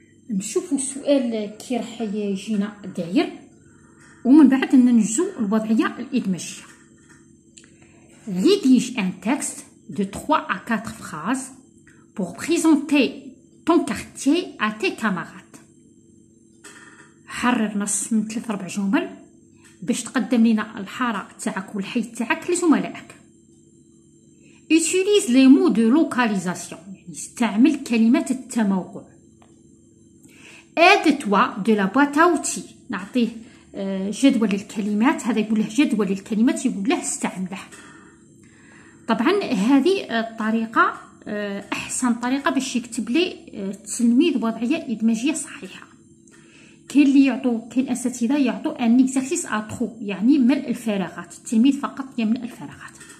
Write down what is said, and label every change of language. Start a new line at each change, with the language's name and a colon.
Arabic: نشوفوا السؤال كي راح يجينا داير، ومن بعد ننجزوا الوضعية الإدماجية.
French: Rédige un texte de 3 à 4 phrases pour présenter ton quartier à tes camarades.
Arabic: حرر نص من 3-4 جمل باش تقدم لنا الحارة تاعك والحي تاعك لزملائك.
French: Utilise les mots de localisation.
Arabic: استعمل كلمات التموقع.
French: Aide-toi de la boîte à outils.
Arabic: نعطيه جدول الكلمات. هذا يقول له جدول الكلمات، يقول له استعمله. طبعا هذه الطريقة أحسن طريقة باش يكتب لي التلميذ وضعية إدماجية صحيحة. كاين اللي يعطوا، كاين أساتذة يعطوا أن إكزارسيس أترو، يعني ملء الفراغات، التلميذ فقط يملء الفراغات.